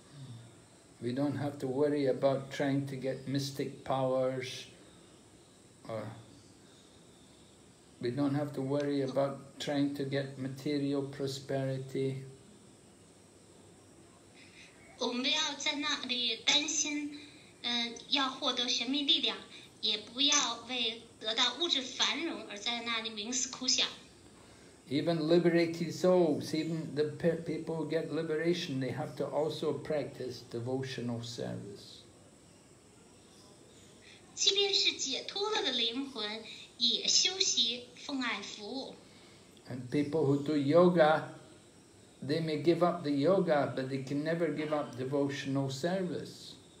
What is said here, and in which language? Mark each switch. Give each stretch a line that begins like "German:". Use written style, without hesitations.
English: don't have to worry about trying to get mystic powers, or we don't have to worry about trying to get material prosperity.
Chinese: 我们不要在那里担心，要获得玄秘力量。
English: Even liberated souls, even the people who get liberation, they have to also practice devotional service.
Chinese: 即便是解脱了的灵魂，也修习奉爱服务。
English: And people who do yoga, they may give up the yoga, but they can never give up devotional service.